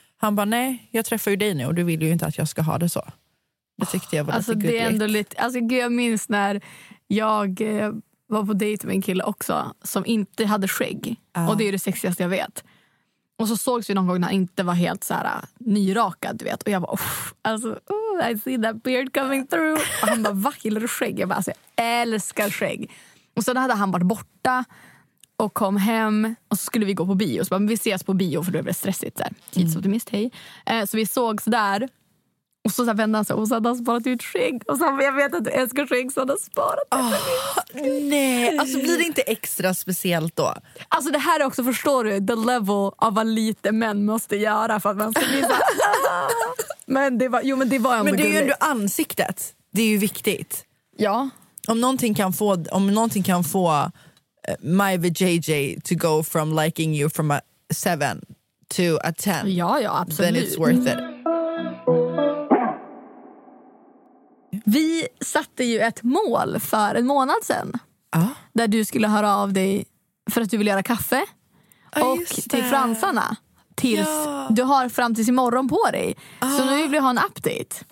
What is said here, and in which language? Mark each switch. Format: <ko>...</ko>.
<sv>Han bara, nej, jag träffar ju dig nu och du vill ju inte att jag ska ha det så. Det tyckte jag var alltså, lite gudligt. Ändå lite, alltså gud, jag minns när jag var på dejt med en kille också som inte hade skägg. Och det är ju det sexigaste jag vet. Och så sågs vi någon gång när han inte var helt så här nyrakad, du vet. Och jag bara,</sv> <en>I see that beard coming through.</en> <sv>Och han bara, vad gillar du skägg? Jag bara, alltså, jag älskar skägg. Och sen hade han varit borta och kom hem, och så skulle vi gå på bio. Så bara, men vi ses på bio för då är det stressigt. Tidsoptimist, hej. Så vi sågs där. Och så vände han sig och så hade han sparat ut skägg. Och så jag vet att du älskar skägg, så han har sparat det. Oh, nej, alltså blir det inte extra speciellt då? Alltså det här är också, förstår du,</sv> <en>the level</en> <sv>av vad lite män måste göra för att man ska bli så. Men det är ju ändå ansiktet. Det är ju viktigt. Ja. Om någonting kan få...</sv> <en>my vajayjay to go from liking you from a 7 to a 10.</en> <sv>Ja, ja, absolut.</sv> <en>Then it's worth it.</en> <sv>Vi satte ju ett mål för en månad sedan. Där du skulle höra av dig för att du vill göra kaffe. Och till fransarna. tills du har fram tills imorgon på dig. Så nu vill vi ha en update.</sv>